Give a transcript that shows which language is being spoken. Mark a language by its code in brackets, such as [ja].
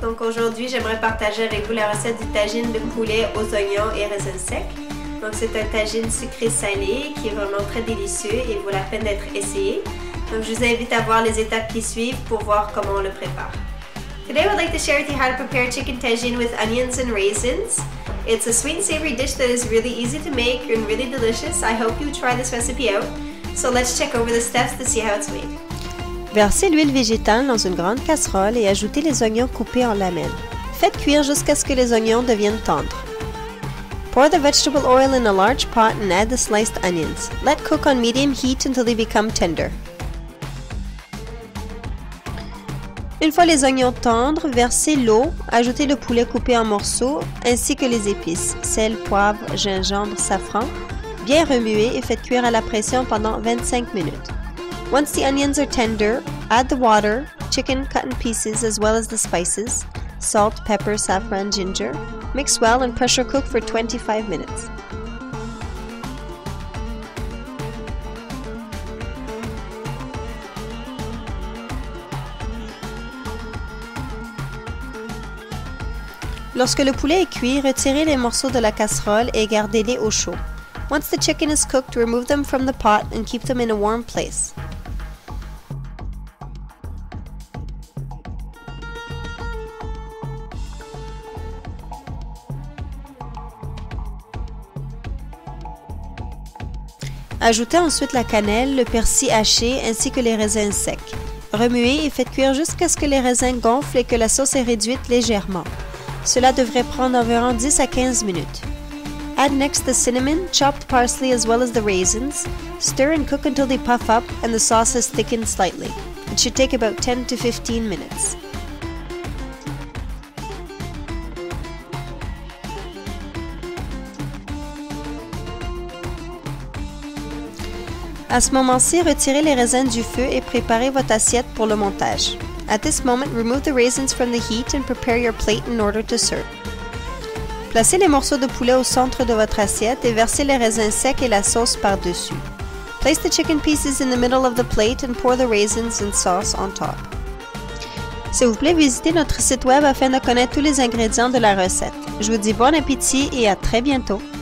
[fr] Donc aujourd'hui, j'aimerais partager avec vous la recette du tagine de poulet aux oignons et raisins secs. Donc c'est un tagine sucré salé qui est vraiment très délicieux et vaut la peine d'être essayé. Donc je vous invite à voir les étapes qui suivent pour voir comment on le prépare. [en] Today I would like to share with you how to prepare chicken tagine with onions and raisins. It's a sweet and savory dish that is really easy to make and really delicious. I hope you try this recipe out. So let's check over the steps to see how it's made. [fr] Versez l'huile végétale dans une grande casserole et ajoutez les oignons coupés en lamelles. Faites cuire jusqu'à ce que les oignons deviennent tendres. [en] Pour the vegetable oil in a large pot and add the sliced onions. Let cook on medium heat until they become tender. [fr] Une fois les oignons tendres, versez l'eau, ajoutez le poulet coupé en morceaux ainsi que les épices, sel, poivre, gingembre, safran. Bien remuez et faites cuire à la pression pendant 25 minutes. [en] Once the onions are tender, add the water, chicken cut in pieces as well as the spices, salt, pepper, saffron, ginger. Mix well and pressure cook for 25 minutes. [fr] Lorsque le poulet est cuit, retirez les morceaux de la casserole et gardez-les au chaud. [en] Once the chicken is cooked, remove them from the pot and keep them in a warm place. [fr] Ajoutez ensuite la cannelle, le persil haché ainsi que les raisins secs. Remuez et faites cuire jusqu'à ce que les raisins gonflent et que la sauce est réduite légèrement. Cela devrait prendre environ 10 à 15 minutes. [en] Add next the cinnamon, chopped parsley as well as the raisins. Stir and cook until they puff up and the sauce has thickened slightly. It should take about 10 to 15 minutes. [fr] À ce moment-ci, retirez les raisins du feu et préparez votre assiette pour le montage. [en] At this moment, remove the raisins from the heat and prepare your plate in order to serve. [fr] Placez les morceaux de poulet au centre de votre assiette et versez les raisins secs et la sauce par-dessus. [en] Place the chicken pieces in the middle of the plate and pour the raisins and sauce on top. [fr] S'il vous plaît, visitez notre site web afin de connaître tous les ingrédients de la recette. Je vous dis bon appétit et à très bientôt!